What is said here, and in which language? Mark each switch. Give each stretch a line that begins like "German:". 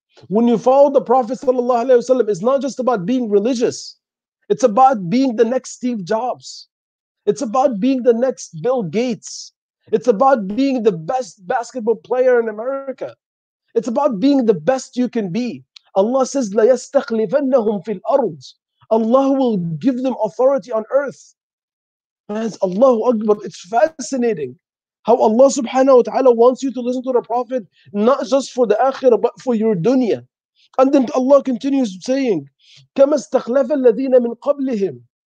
English: When you follow the Prophet sallallahu alaihi wasallam, it's not just about being religious. It's about being the next Steve Jobs. It's about being the next Bill Gates. It's about being the best basketball player in America. It's about being the best you can be. Allah says,
Arabic: لَيَسْتَخْلِفَنَّهُمْ فِي الْأَرْضِ.
English: Allah will give them authority on earth. And Allahu Akbar, it's fascinating how Allah subhanahu wa ta'ala wants you to listen to the Prophet, not just for the akhirah, but for your dunya. And then Allah continues saying,
Arabic: كَمَا اسْتَخْلَفَ الَّذِينَ مِنْ قَبْلِهِمْ.